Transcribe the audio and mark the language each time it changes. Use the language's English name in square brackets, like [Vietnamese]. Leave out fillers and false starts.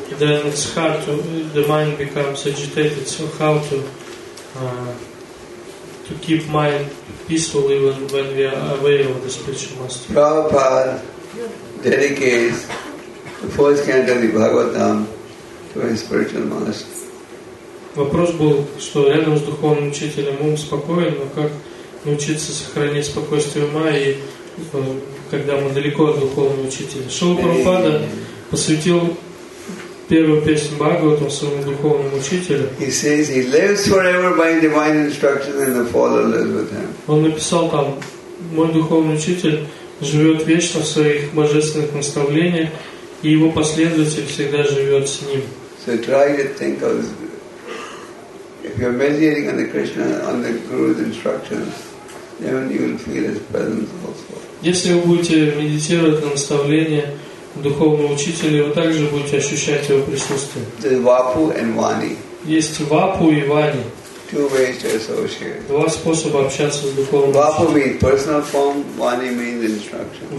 [English] Then it's hard to. The mind becomes agitated. So how to keep mind peaceful even when we are away from the spiritual master? Prabhupada dedicates the first canto of the Bhagavatam to his spiritual master. [Russian] Вопрос был, что рядом с духовным учителем ум спокоен, но как научиться сохранять спокойствие ума, и когда мы далеко от духовного учителя. Шрила Прабхупада посвятил первую песню Бхагаватам своему духовному учителю. [English] He says he lives forever by divine instruction and the Father lives with him. [Russian] Он написал там: мой духовный учитель живет вечно в своих божественных наставлениях, и его последователь всегда живет с ним. [English] So try to think of this. If you're meditating on the Krishna, on the Guru's instructions, then you will feel His presence also. [Russian] Если вы будете медитировать на наставления духовного учителя, вы также будете ощущать его присутствие. [English] There's Vapu and Vani. [Russian] Есть Вапу и Вани. [English] Two ways to associate. [Russian] Два способа общаться с духовным. [English] Vapu means personal form. Vani means instruction.